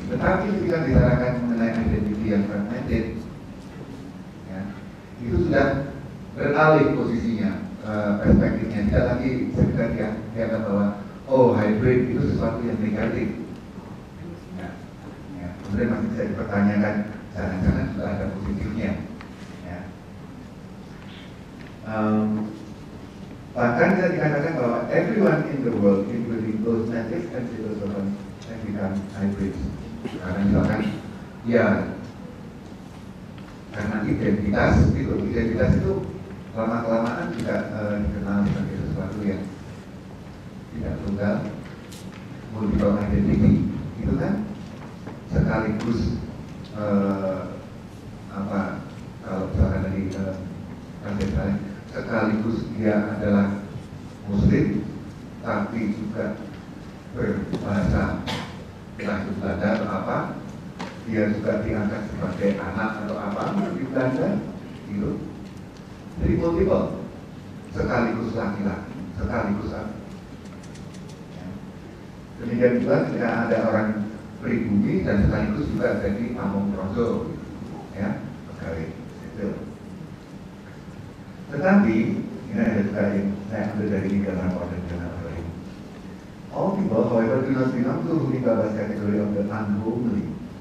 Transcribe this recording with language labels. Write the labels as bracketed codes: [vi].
[id] Tetapi ketika disarankan mengenai identity yang fragmented, ya, itu sudah beralih posisinya, perspektifnya tidak lagi sekedar yang dianggap bahwa oh hybrid itu sesuatu yang negatif. Ya, ya. Kemudian masih bisa dipertanyakan. Jangan-jangan juga ada positifnya, ya. Bahkan bisa dikatakan bahwa [en] everyone in the world, including both natives and civil servants, have become hybrids. [id] Karena misalkan, ya, karena identitas, gitu, identitas itu lama-kelamaan juga dikenal sebagai sesuatu yang tidak tunggal, multiple identity, gitu kan, sekaligus apa kalau misalkan dari kandidatnya sekaligus dia adalah muslim tapi juga berbahasa bahasa Belanda atau apa, dia juga diangkat sebagai anak atau apa di Belanda itu, jadi multiple sekaligus laki-laki sekaligus apa, ya. Demikian juga ketika ada orang pribumi dan sekaligus juga jadi pamong projo, ya, pegawai sipil. Tetapi, ini ada juga yang saya ambil dari negara modern dan negara lain. [en] All people, however, do not belong to the babas category of the unhomely.